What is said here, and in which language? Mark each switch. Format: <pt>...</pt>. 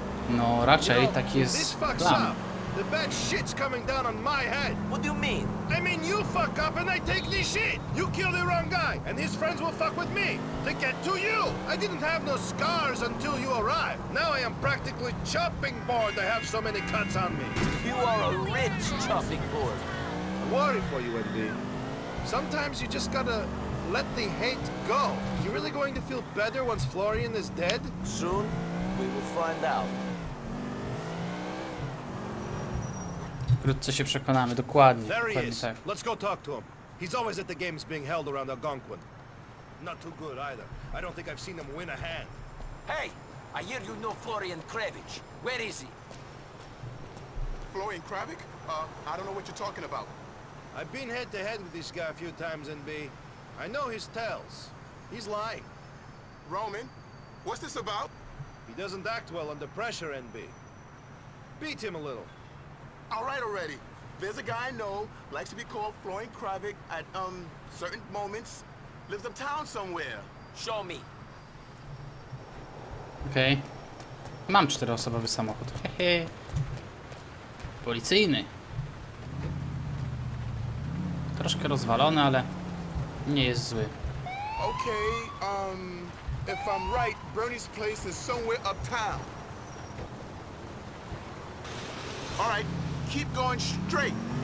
<pl>No raczej taki jest plan.</pl> <en>The bad shit's coming down on my head. What do you mean? I mean you fuck up and I take this shit. You kill the wrong guy and his friends will fuck with me to get to you. I didn't have no scars until you arrived. Now I am practically chopping board. I have so many cuts on me. You are a rich chopping board. I worry for you, Andy. Sometimes you just gotta let the hate go. You really going to feel better once Florian is dead? Soon, we will find out.</en> <pl>Wkrótce się przekonamy, dokładnie.</pl> <en>Let's go talk to him. He's always at the games being held around Algonquin. Not too good either. I don't think I've seen him win a hand. Hey, I hear you know Florian Kravich. Where is he? Florian Kravich? I don't know what you're talking about. I've been head to head with this guy a few times, NB. I know his tells. He's lying. Roman, what's this about? He doesn't act well under pressure, NB. Beat him a little. All right already. There's a guy I know, likes to be called Florian Kravich at certain moments, lives uptown somewhere. Show me. Okej. Okay.</en> <pl>Mam czteroosobowy samochód. Hehe. Policyjny. Troszkę rozwalony, ale nie jest zły.</pl> <en>Okej, okay, if I'm right, Bernie's place is somewhere uptown. All right. Keep going straight.</en>